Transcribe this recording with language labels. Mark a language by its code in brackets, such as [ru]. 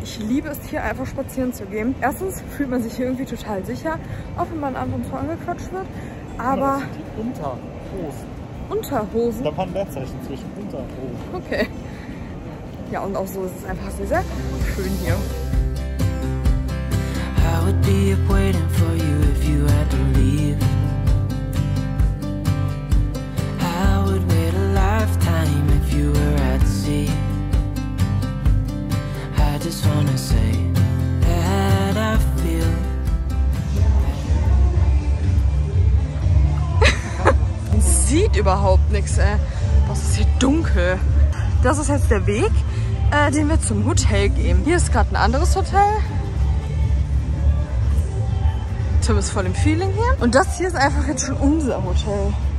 [de] Ich liebe es, hier einfach spazieren zu gehen. Erstens fühlt man sich hier irgendwie total sicher. Auch wenn man einfach so angequatscht wird. Aber ja, das sind die Unterhosen. Unterhosen. Da waren Leerzeichen zwischen Unterhosen. Okay. Ja, und auch so ist es einfach sehr, sehr schön hier. [en] I would be up waiting for you if you had to leave. I would wait a lifetime if you were at sea. I just wanna say that I feel. [de] Sieht überhaupt nichts, ey. Was ist hier dunkel? Das ist jetzt der Weg, den wir zum Hotel gehen. Hier ist gerade ein anderes Hotel. Tim ist voll im Feeling hier. Und das hier ist einfach jetzt schon unser Hotel.